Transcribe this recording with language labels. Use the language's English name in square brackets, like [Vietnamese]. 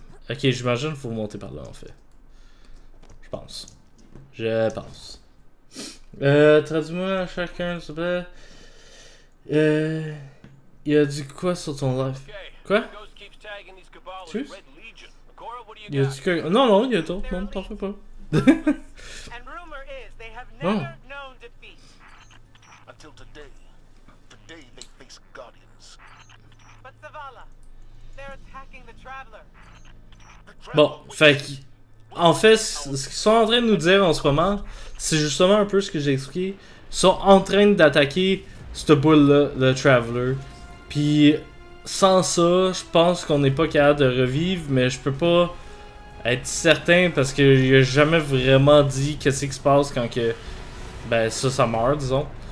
[French] Ok, j'imagine qu'il faut monter par là en fait. Je pense. Traduis-moi à chacun, s'il te plaît. Il a dit quoi sur ton live? Quoi? Il a dit quoi? Non, il y a d'autres mondes, parfait pas. [English] And rumor is they have never known defeat. Until today. Today they face Guardians. But Zavala, they're attacking the Traveler. [French] Bon, en fait, ce qu'ils sont en train de nous dire en ce moment, c'est justement un peu ce que j'ai expliqué. Ils sont en train d'attaquer cette boule-là, le Traveler. Puis, sans ça, je pense qu'on n'est pas capable de revivre, mais je peux pas être certain parce que il a jamais vraiment dit qu'est-ce qui se passe quand que ben ça meurt, disons.